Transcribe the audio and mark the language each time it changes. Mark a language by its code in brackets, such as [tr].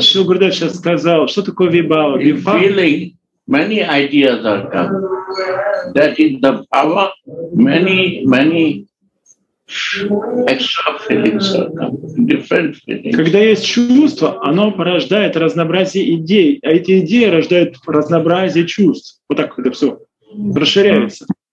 [ru] Шрила Гурудев сейчас сказал, что такое вибава? [en] In feeling, many ideas are coming. That is the bhava, many extra feelings are coming. Different feelings. [ru] Когда есть чувство, оно порождает разнообразие идей, а эти идеи рождают разнообразие чувств. Вот так это все расширяется.